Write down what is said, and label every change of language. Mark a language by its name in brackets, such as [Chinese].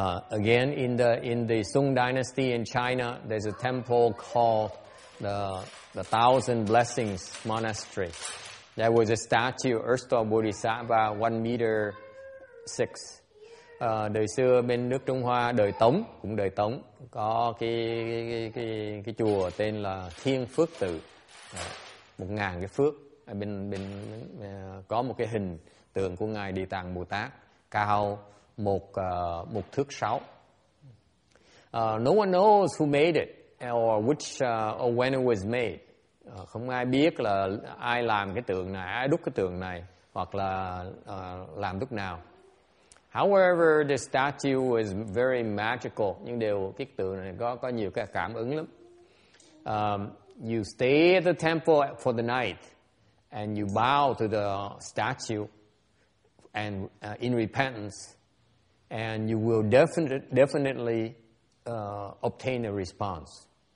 [English] Again, in the Song Dynasty in China, there's a temple called the Thousand Blessings Monastery. There was a statue erst of Bodhisattva 1.6 meters. [Vietnamese] Đời xưa bên nước Trung Hoa đời Tống, cũng đời Tống có cái chùa tên là Thiên Phước Tự. 1000 cái phước bên có một cái hình tượng của ngài Địa Tạng Bồ Tát cao một thước 6. [English] No one knows who made it or or when it was made. [Vietnamese] Không ai biết là ai làm cái tượng này, ai đúc cái tượng này hoặc là làm lúc nào. [English] However, the statue was very magical. [Vietnamese] Nhưng đều cái tượng này có nhiều cái cảm ứng lắm. [English] You stay at the temple for the night and you bow to the statue and in repentance and you will definitely obtain a response.